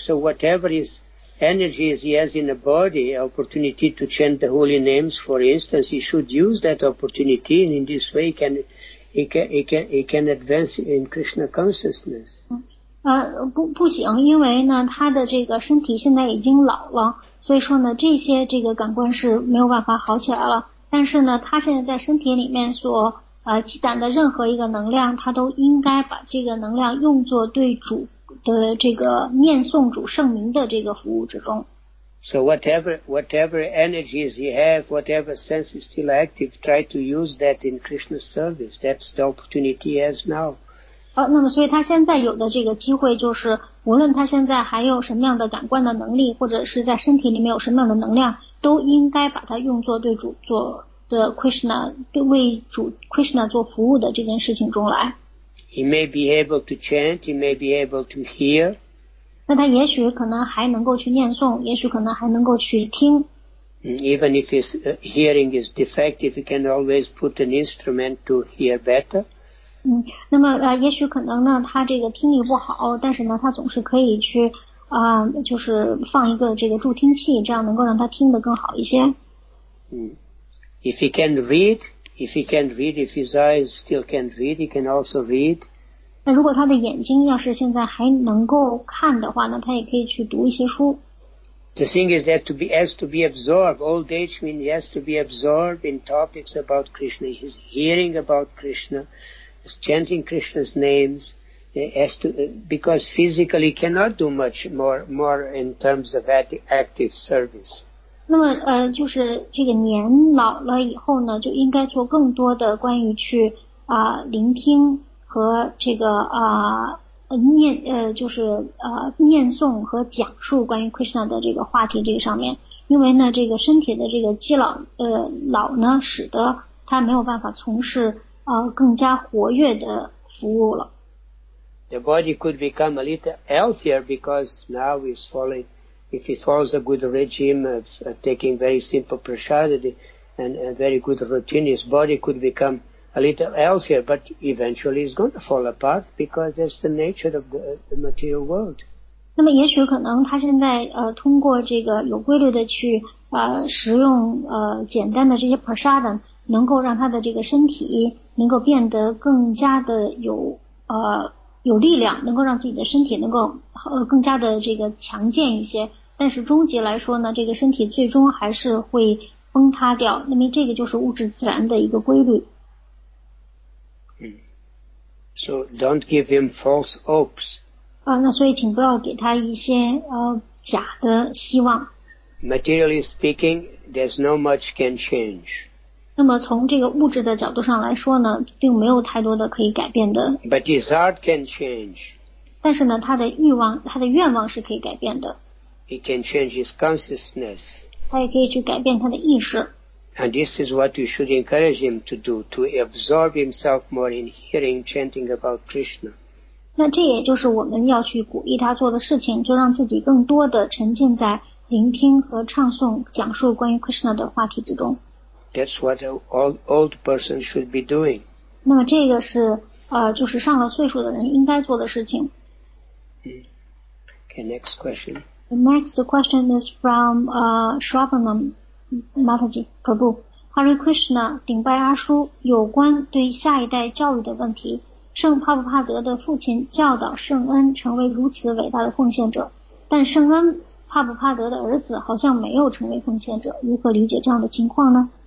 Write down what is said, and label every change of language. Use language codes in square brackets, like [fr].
[en] So whatever his energy is, he has in the body, opportunity to chant the holy names, for instance, he should use that opportunity, and in this way he can advance in Krishna consciousness. Mm-hmm. [zh] 不行，因为呢，他的这个身体现在已经老了，所以说呢，这些感官是没有办法好起来了。但是呢，他现在在身体里面所积攒的任何一个能量，他都应该把这个能量用作对主的这个念诵主圣名的这个服务之中。 [en] So whatever energies you have, whatever sense is still active, try to use that in Krishna's service. That's the opportunity he has now. [zh] 那么所以他现在有的这个机会就是，无论他现在还有什么样的感官的能力，或者是在身体里面有什么样的能量，都应该把它用作对主做的 Krishna, 对为主 Krishna 做服务的这件事情中来。 [en] He may be able to chant, he may be able to hear. [zh] 那他也许可能还能够去念诵，也许可能还能够去听。 [en] Even if his hearing is defective, he can always put an instrument to hear better. [zh] 那么也许可能呢，他这个听力不好，但是呢，他总是可以去就是放一个这个助听器，这样能够让他听得更好一些。 [en] If he can read, if his eyes still can read, he can also read. [zh] 那如果他的眼睛要是现在还能够看的话呢，他也可以去读一些书。 [en] The thing is that to be absorbed, old age means he has to be absorbed in topics about Krishna, his hearing about Krishna. Chanting Krishna's names, because physically cannot do much more in terms of active service. [zh] 那么就是这个年老了以后呢，就应该做更多的关于去聆听和这个念诵和讲述关于 Krishna 的这个话题这个上面，因为呢，这个身体的这个积老老呢，使得他没有办法从事。更加活跃的服务了。 [en] The body could become a little healthier because now he's falling. If he follows a good regime of taking very simple prasad and a very good routine, his body could become a little healthier. But eventually, he's going to fall apart because that's the nature of the material world. [zh] 那么，也许可能他现在通过这个有规律的去食用简单的这些 prasad。能够让他的这个身体能够变得更加的有力量，能够让自己的身体能够更加的这个强健一些。但是终极来说呢，这个身体最终还是会崩塌掉。那么这个就是物质自然的一个规律。 [en] So don't give him false hopes. [zh] 啊，那所以请不要给他一些假的希望。 [en] Materially speaking, there's no much can change. [zh] 那么从这个物质的角度上来说呢，并没有太多的可以改变的。 [en] But his heart can change. [zh] 但是呢，他的欲望，他的愿望是可以改变的。 [en] He can change his consciousness. [zh] 他也可以去改变他的意识。 [en] And this is what you should encourage him to do, to absorb himself more in hearing chanting about Krishna. [zh] 那这也就是我们要去鼓励他做的事情，就让自己更多的沉浸在聆听和唱诵讲述关于 Krishna 的话题之中。 [en] That's what an old person should be doing. [zh] 那么这个是就是上了岁数的人应该做的事情。 [en] Okay, next question. The next question is from Shravanam. [zh] Mataji Prabhu, Hare Krishna, 顶拜阿叔，有关对下一代教育的问题，圣帕帕帕德的父亲教导圣恩成为如此伟大的奉献者，但圣恩帕帕帕德的儿子好像没有成为奉献者，如何理解这样的情况呢？